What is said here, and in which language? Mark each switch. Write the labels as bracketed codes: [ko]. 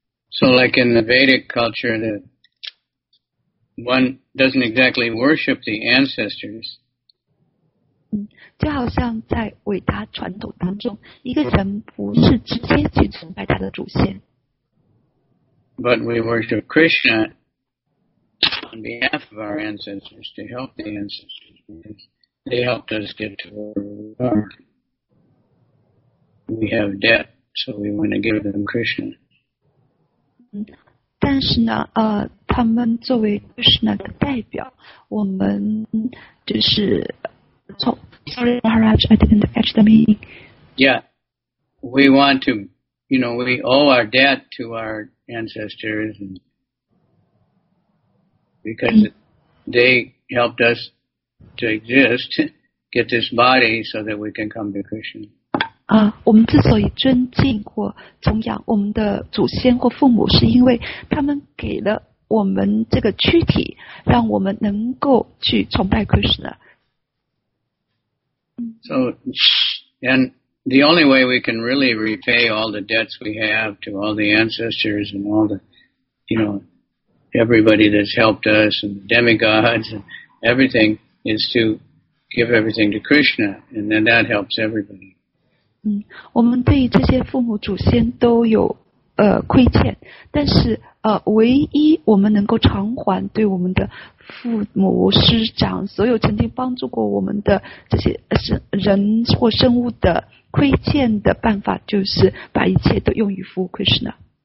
[en] So, like in the Vedic culture, that one doesn't exactly worship the ancestors. [zh] 就好像在伟大传统当中，一个人不是直接去崇拜他的祖先。 [en] But we worship Krishna on behalf of our ancestors to help the ancestors because they helped us get to where we are. We have debt, so we want to give them Krishna. [zh] 但是呢，他们作为 Krishna 的代表，我们就是从。 [en] Sorry, Maharaj, I didn't catch the meaning. Yeah, we want to, you know, we owe our debt to our ancestors and because they helped us to exist, get this body so that we can come to Krishna. [zh] 我们之所以尊敬或崇仰我们的祖先或父母，是因为他们给了我们这个躯体，让我们能够去崇拜 Krishna。 [en] So, and the only way we can really repay all the debts we have to all the ancestors and all the, you know, everybody that's helped us and demigods and everything is to give everything to Krishna, and then that helps everybody. [zh] 我们对这些父母祖先都有亏欠，但是唯一我们能够偿还对我们的父母师长所有曾经帮助过我们的这些人或生物的亏欠的办法，就是把一切都用于服务 Krishna。